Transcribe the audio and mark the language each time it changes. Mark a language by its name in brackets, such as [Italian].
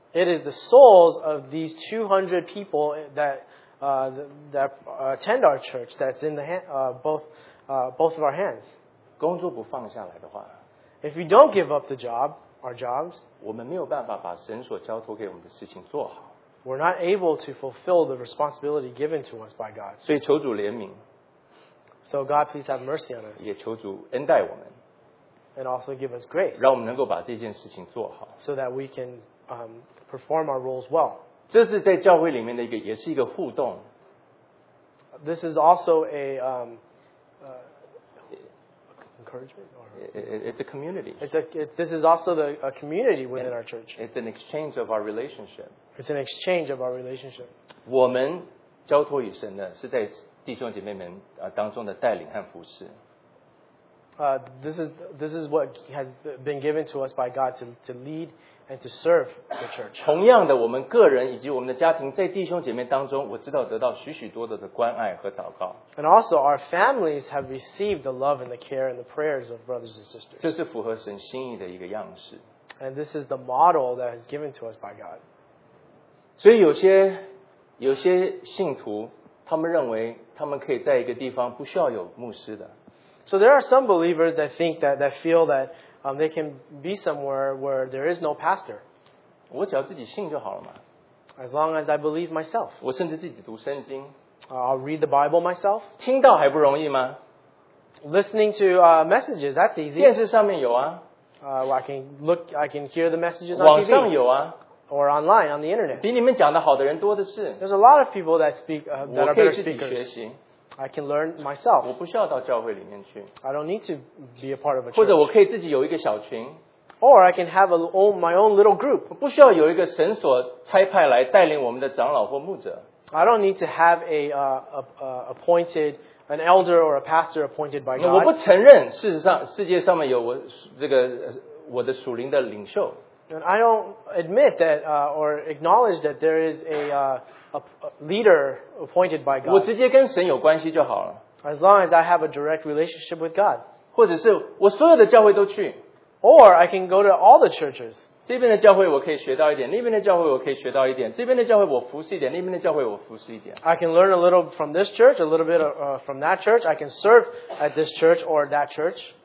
[English] It is the souls of these 200 people that that attend our church that's in the hand, both of our hands. [Chinese] 工作不放下来的话。 [English] If we don't give up the job, our jobs, [Chinese] 我们没有办法把神所交托给我们的事情做好。 [English] We're not able to fulfill the responsibility given to us by God. [Chinese] 所以求主怜悯。 [English] So God, please have mercy on us. [Chinese] 也求主恩待我们。 [English] And also give us grace. [Chinese] 让我们能够把这件事情做好。 [English] So that we can perform our roles well. [Chinese] 这是在教会里面的一个，也是一个互动。 [English] This is also a encouragement. It's a community. This is also a community within our church. It's an exchange of our relationship. It's an exchange of our relationship. [Chinese] 我们交托于神的是在弟兄姐妹们当中的带领和服侍。 [English] This is what has been given to us by God to lead and to serve the church. [Chinese] 同样的，我们个人以及我们的家庭在弟兄姐妹当中，我知道得到许许多多的关爱和祷告。 [English] And also, our families have received the love and the care and the prayers of brothers and sisters. [Chinese] 这是符合神心意的一个样式。 [English] And this is the model that is given to us by God. [Chinese] 所以有些信徒，他们认为他们可以在一个地方不需要有牧师的。 [English] So there are some believers that think that feel that they can be somewhere where there is no pastor. [Chinese] 我只要自己信就好了嘛。 [English] As long as I believe myself. [Chinese] 我甚至自己读圣经。 [English] I'll read the Bible myself. [Chinese] 听到还不容易吗 [English] ？Listening to messages, that's easy. [Chinese] 电视上面有啊。 [English] I can hear the messages on TV. [Chinese] 网上有啊。 [English] Or online on the internet. [Chinese] 比你们讲的好的人多的是。 [English] There's a lot of people that speak that are better speakers. [Chinese] 我可以自己学习。 [English] I can learn myself. [Chinese] 我不需要到教会里面去。 [English] I don't need to be a part of a church. [Chinese] 或者我可以自己有一个小群。 [English] Or I can have my own little group. [Chinese] 我不需要有一个神所差派来带领我们的长老或牧者。 [English] I don't need to have an elder or a pastor appointed by God. [Chinese] 我不承认，事实上世界上面有我这个我的属灵的领袖。 [English] And I don't admit that or acknowledge that there is a leader appointed by God. [Chinese] 我直接跟神有关系就好了。 [English] As long as I have a direct relationship with God. [Chinese] 或者是我所有的教会都去。 [English] Or I can go to all the churches. [Chinese] 这边的教会我可以学到一点，那边的教会我可以学到一点，这边的教会我服侍一点，那边的教会我服侍一点。 [English] I can learn a little from this church, a little bit from that church. I can serve at this church or that church.